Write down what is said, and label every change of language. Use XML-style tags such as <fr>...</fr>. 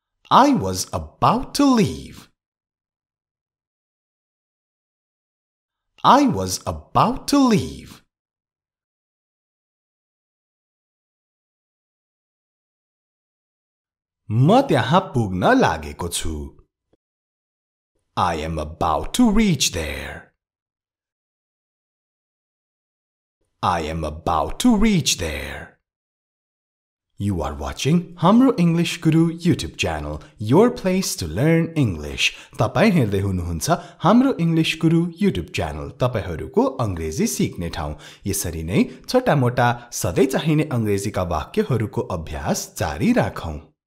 <en>I was about to leave. I was about to leave.</en> <ne>म त्यहाँ पुग्न लागेको छु.</ne> <en>I am about to reach there. I am about to reach there. You are watching Hamro English Guru YouTube channel, your place to learn English.</en> <ne>तपाईं हेर्दै हुनुहुन्छ Hamro English Guru YouTube channel, तपाईंहरुको अंग्रेजी सिक्ने ठाउँ. यसरी नै छोटा मोटा सधैं चाहिने अंग्रेजीका वाक्यहरुको अभ्यास जारी राखौं.</ne>